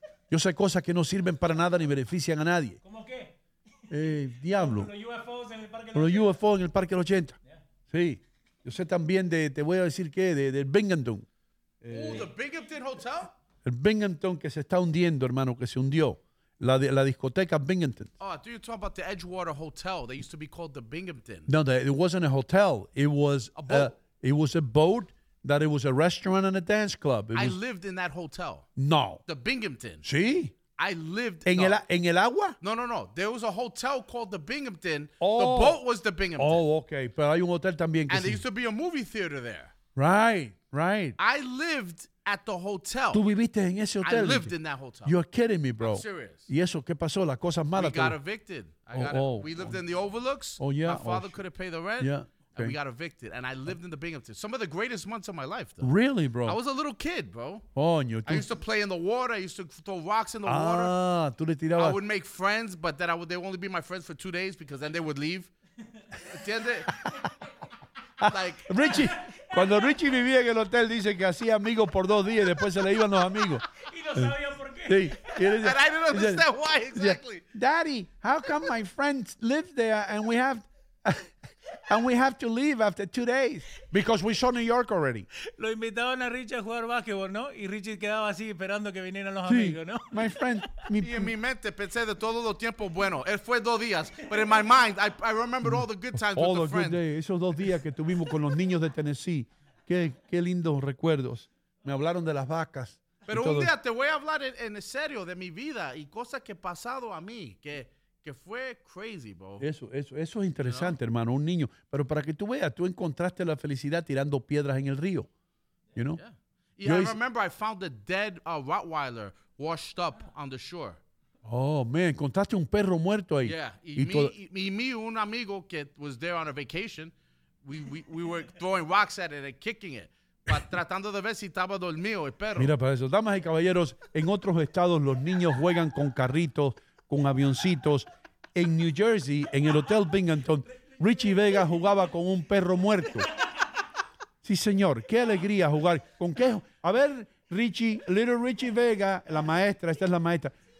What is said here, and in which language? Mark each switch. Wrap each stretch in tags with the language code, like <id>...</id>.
<es>Yo sé cosas que no sirven para nada ni benefician a nadie. ¿Cómo qué? Diablo. Los UFOs en el Parque del 80. Yeah. Sí. Yo sé también de, te voy a decir qué, del Binghamton.</es> <en>The Binghamton Hotel?</en> <es>El Binghamton que se está hundiendo, hermano, que se hundió. La discoteca Binghamton.</es> <en>Oh, I thought you were talking about the Edgewater Hotel that used to be called the Binghamton. No, it wasn't a hotel. It was a boat. It was a boat. That it was a restaurant and a dance club. I lived in that hotel. No. The Binghamton.</en> <es>Sí.</es> <en>I lived</en> <es>in el agua?</es> <en>No. There was a hotel called the Binghamton. Oh. The boat was the Binghamton.</en> <es>Oh, okay. Pero hay un hotel también que</es> <en>and</en> <es>sí.</es> <en>There used to be a movie theater there. Right. I lived at the hotel.</en> <es>¿Tú viviste en ese hotel?</es> <en>I lived in that hotel. You're kidding me, bro. I'm serious.</en> <es>¿Y eso qué pasó? Las cosas malas.</es> <en>We got evicted. We lived in the Overlooks. Oh, yeah. My father couldn't pay the rent. Yeah. Okay. We got evicted, and I lived in the Binghamton. Some of the greatest months of my life, though. Really, bro? I was a little kid, bro. Oh, I used to play in the water. I used to throw rocks in the water.</en> <es>Tú le tirabas.</es> <en>I would make friends, but then they would only be my friends for 2 days because then they would leave. Like</en> <es>Richie, cuando Richie vivía en el hotel, dice que hacía amigos por 2 días, después se le iban los amigos. Y no sabía por qué. Sí.</es> <en>And I didn't understand why exactly. Daddy, how come my friends live there and we have? And we have to leave after 2 days because we saw New York already.</en> <es>Lo invitaban a Richie a jugar básquetbol, ¿no? Y Richie quedaba así esperando que vinieran los amigos, ¿no?</es> <en>My friend.</en> <es>Y en mi mente pensé de todos los tiempos, bueno, él fue 2 días.</es> <en>But in my mind, I remember all the good times with the friend. All the good days.</en> <es>Esos 2 días que tuvimos con los niños de Tennessee. Qué lindos recuerdos. Me hablaron de las vacas. Pero un día te voy a hablar en serio de mi vida y cosas que he pasado a mí que fue</es> <en>crazy, bro.</en> <es>Eso es interesante, ¿no? Hermano, un niño. Pero para que tú veas, tú encontraste la felicidad tirando piedras en el río,</es> <en>you know? Yeah. Yeah, I remember I found a dead Rottweiler washed up on the shore. Oh, man,</en> <es>encontraste un perro muerto ahí.</es> <en>Yeah,</en> <es>y me, un amigo que</es> <en>was there on a vacation, we were throwing rocks at it and kicking it.</en> <es>Tratando de ver si estaba dormido el perro. Mira para eso. Damas y caballeros, en otros estados los niños juegan con carritos, con avioncitos. En New Jersey, en el Hotel Binghamton, Richie Vega jugaba con un perro muerto. Sí, señor, qué alegría jugar. ¿Con qué? A ver, Richie, Little Richie Vega, la maestra, esta es la maestra.</es>